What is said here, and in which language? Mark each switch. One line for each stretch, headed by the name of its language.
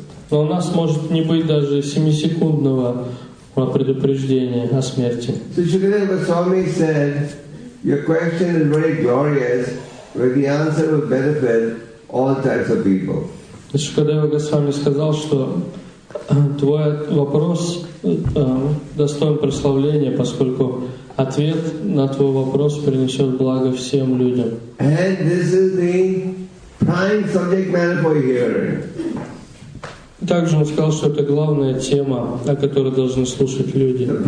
Russian: Но у нас может не быть даже 7-секундного предупреждения о смерти.
English: So Shukadeva Goswami said, your question is very glorious, but the answer will benefit all types of people.
Russian: Шукадева Госвами сказал, что твой вопрос достоин прославления, поскольку ответ на твой вопрос принесет благо всем людям.
English: And this is the prime subject matter for hearing.
Russian: Также он сказал, что это главная тема, о которой должны слушать люди.